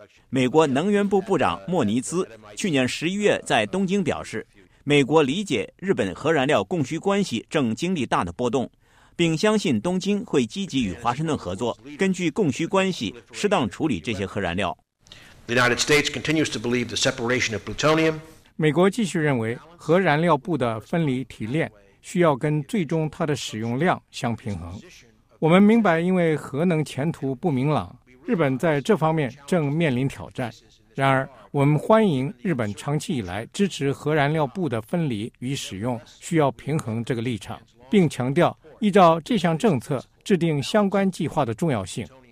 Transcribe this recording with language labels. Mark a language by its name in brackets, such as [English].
[Chinese] 美国能源部部长莫尼兹去年11月在东京表示，美国理解日本核燃料供需关系正经历大的波动，并相信东京会积极与华盛顿合作，根据供需关系适当处理这些核燃料。 [English] The United States continues to believe the separation of plutonium. [Chinese] 美国继续认为核燃料布的分离提炼需要跟最终它的使用量相平衡。我们明白，因为核能前途不明朗，日本在这方面正面临挑战。然而，我们欢迎日本长期以来支持核燃料布的分离与使用需要平衡这个立场，并强调依照这项政策制定相关计划的重要性。